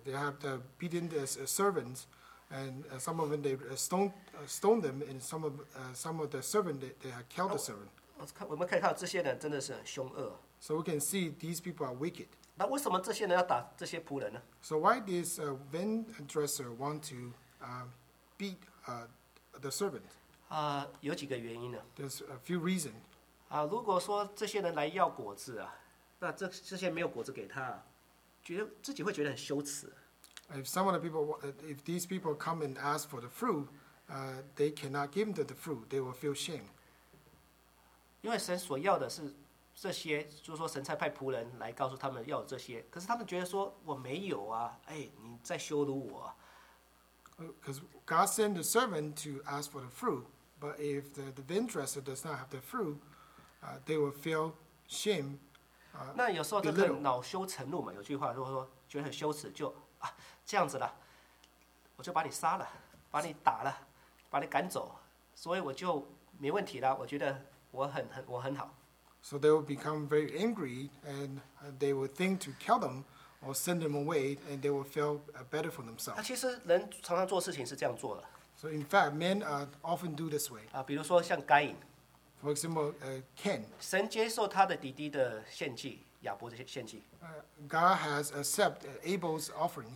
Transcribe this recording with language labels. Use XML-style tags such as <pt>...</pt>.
<en>they have the beaten the servants, and some of them they stone them, and some of the servant they have killed the servant.</en> <zh>我们可以看到这些人真的是凶恶。</zh> <en>So we can see these people are wicked.</en> <zh>那为什么这些人要打这些仆人呢？</zh> <en>So why this vine dresser want to beat the servant?</en> <zh>有几个原因呢。</zh> <en>There's a few reasons.</en> <zh>如果说这些人来要果子啊，那这些没有果子给他，自己会觉得很羞耻。</zh> <en>If some of the people, if these people come and ask for the fruit, they cannot give them the fruit. They will feel shame.</en> <zh>因为神所要的是这些，就是说神差派仆人来告诉他们要这些，可是他们觉得说我没有啊，哎，你在羞辱我。</zh> <en>Because God sent the servant to ask for the fruit, but if the vine dresser does not have the fruit, they will feel shame.</en> <zh>那有时候这个恼羞成怒嘛，有句话如果说觉得很羞耻，就啊这样子了，我就把你杀了，把你打了，把你赶走，所以我就没问题了。我觉得我很好。</zh> <en>So they will become very angry, and they will think to kill them or send them away, and they will feel better for themselves.</en> <zh>其实人常常做事情是这样做的。</zh> <en>So in fact, men often do this way.</en> <zh>比如说像该隐。</zh> <en>For example, Cain.</en> <zh>神接受他的弟弟的献祭，亚伯的献祭。</zh> <en>God has accepted Abel's offering.</en>